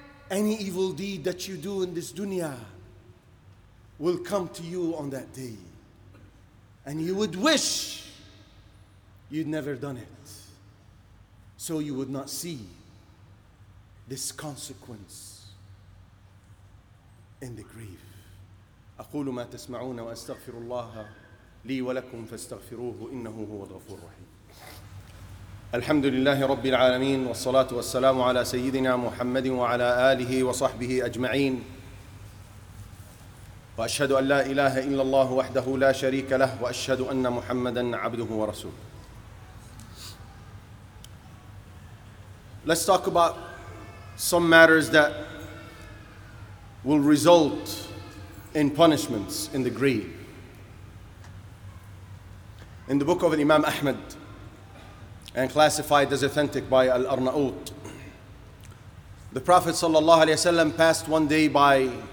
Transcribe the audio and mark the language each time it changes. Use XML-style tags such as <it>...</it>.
<en>Any evil deed that you do in this dunya will come to you on that day. And you would wish you'd never done it. So you would not see this consequence in the grave.</en> <ar>أقول ما تسمعون وأستغفر الله لي ولكم فاستغفروه إنه هو الغفور الرحيم. الحمد لله رب العالمين والصلاة والسلام على سيدنا محمد وعلى آله وصحبه أجمعين. وأشهد أن لا إله إلا الله وحده لا شريك له وأشهد أن محمدا عبده ورسوله.</ar> <en>Let's talk about some matters that will result in punishments in the grave. In the book of Imam Ahmad, and classified as authentic by Al-Arnaut, the Prophet ﷺ passed one day by</en>